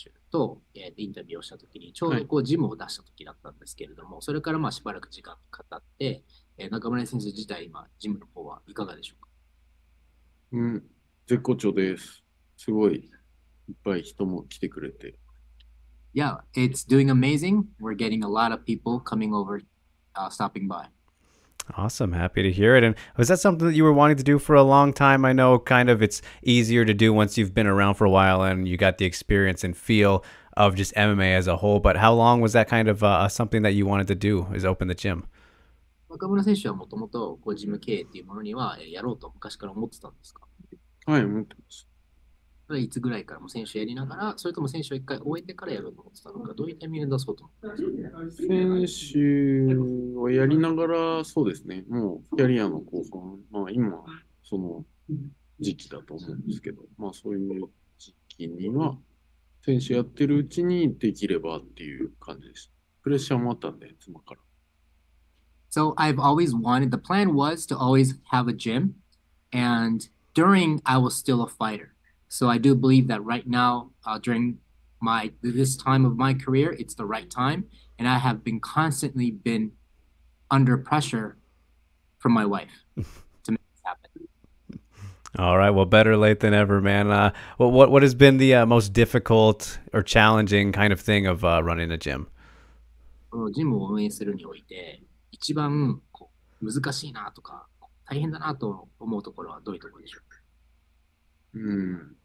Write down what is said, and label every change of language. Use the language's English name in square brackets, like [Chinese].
[Japanese] とインタビューをしたときにちょうどこうジムを出したときだったんですけれども、はい、それからまあしばらく時間かかって中村先生自体今ジムの方はいかがでしょうか。うん、絶好調です。すごいいっぱい人も来てくれて。 [English] Yeah, it's doing amazing. We're getting a lot of people coming over, stopping by. Awesome, happy to hear it. And was that something that you were wanting to do for a long time? I know kind of it's easier to do once you've been around for a while and you got the experience and feel of just MMA as a whole, but how long was that kind of something that you wanted to do, is open the gym? [Japanese] 中村選手はもともとこうジム経営っていうものにはやろうと昔から思ってたんですか？はい、思ってます。それいつぐらいからも選手やりながら、それとも選手を一回終えてからやろうと思ってたのか、どういうタイミングで出そうと思ってたんですか？選手をやりながら、そうですね、もうキャリアの後半、まあ今その時期だと思うんですけど、まあそういう時期には選手やってるうちにできればっていう感じです。プレッシャーもあったんで、妻から。 [English] So I've always wanted, the plan was to always have a gym, and during I was still a fighter. So I do believe that right now, during my this time of my career, it's the right time. And I have been constantly been under pressure from my wife to make this happen. All right, well, better late than ever, man. What has been the most difficult or challenging kind of thing of running a gym? [Japanese] ジムを運営するにおいて一番こう難しいなとか大変だなと思うところはどういうところでしょうか？